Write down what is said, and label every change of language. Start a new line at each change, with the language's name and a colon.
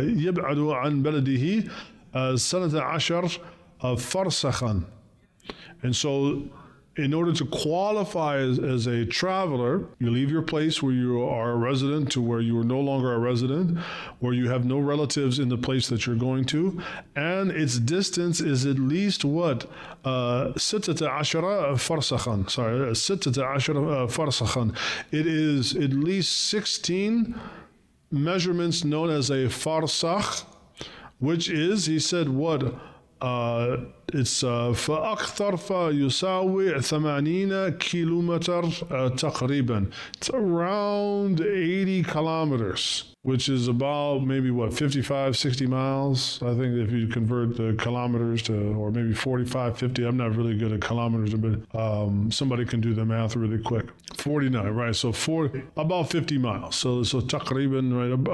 Arabic: يبعد عن بلده سنة عشر فرسخاً.
English: And so, in order to qualify as a traveler, you leave your place where you are a resident to where you are no longer a resident, where you have no relatives in the place that you're going to, and its distance is at least what?
Arabic: Sittata ashara farsakhan.
English: Sorry,
Arabic: sittata ashara farsakhan.
English: It is at least 16 measurements known as a farsakh, which is, he said, what?
Arabic: It's فأكثر فيساوي 80 كيلومتر تقريبا.
English: It's around 80 kilometers, which is about maybe what, 55, 60 miles, I think, if you convert the kilometers to, or maybe 45, 50. I'm not really good at kilometers, but somebody can do the math really quick. 49, right? So about 50 miles. So تقريبا, right?